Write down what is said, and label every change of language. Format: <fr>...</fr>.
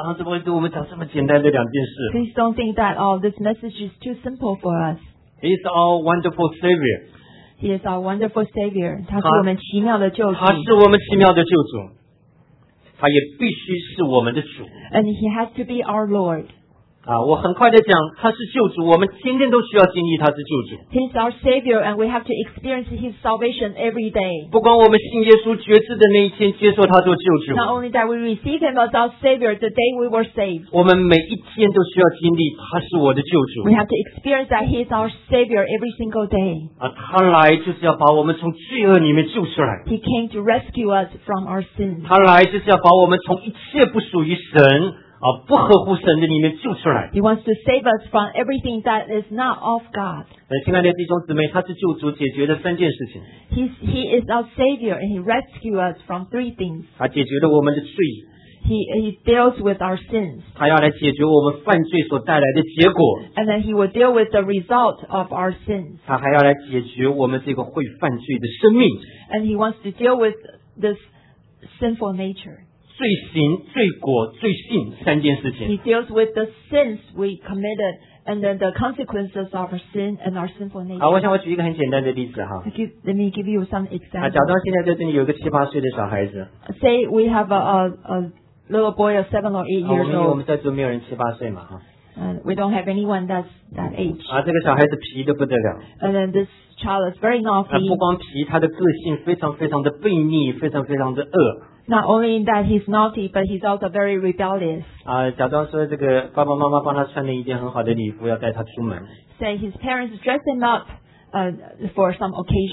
<zh>所以大家千万不要以为这两个余弟兄弟今天早上这么会对我们讲这么简单的两件事。</zh> <en>Please don't think that all this message is too simple for us. He is our wonderful Savior. He is our wonderful Savior.</en> <zh>他是我们奇妙的救主。他是我们奇妙的救主。他也必须是我们的主。</zh> <en>And he has to be our Lord.</en> <zh>我很快地讲,他是救主,我们天天都需要经历他是救主。</zh> <en>He's our Savior and we have to experience His salvation every day.</en> <zh>不管我们信耶稣觉知的那一天接受他做救主。</zh> <en>Not only that we receive Him as our Savior the day we were saved.</en> <zh>我们每一天都需要经历他是我的救主。</zh> <en>We have to experience that He is our Savior every single day.</en> <zh>他来就是要把我们从罪恶里面救出来。</zh> <en>He came to rescue us from our sins.</en> <zh>他来就是要把我们从一切不属于神, 不合乎神的里面救出来。</zh> <en>He wants to save us from everything that is not of God.</en> <zh>亲爱的弟兄姊妹, 他是救主解决的三件事情。</zh> <en>He is our Savior and He rescued us from three things.</en> <zh>他解决了我们的罪。</zh> <en>He deals with our sins.</en> <zh>他要来解决我们犯罪所带来的结果。</zh> <en>And then He will deal with the result of our sins.</en> <zh>他还要来解决我们这个会犯罪的生命。</zh> <en>And He wants to deal with this sinful nature.</en> <zh>罪行, 罪果, 罪性, 三件事情。</zh> <en>He deals with the sins we committed and then the consequences of our sin and our sinful nature.</en> <zh>好，我想我举一个很简单的例子。</zh> <en>Let me give you some examples.</en> <zh>假装现在在这里有个七八岁的小孩子。</zh> <en>Say we have a little boy of 7 or 8 years old.</en> <zh>我们在座没有人七八岁嘛。</zh> <en>We don't have anyone that's that age.</en> <zh>这个小孩子皮得不得了。</zh> <en>And then this child is very naughty.</en> <zh>不光皮, 他的个性非常非常的悖逆, 非常非常的恶。</zh> <en>Not only that he's naughty, but he's also very rebellious.</en> <zh>假装说这个爸爸妈妈帮他穿了一件很好的礼服，要带他出门。</zh> <en>Say his parents dress him up for some occasion.</en>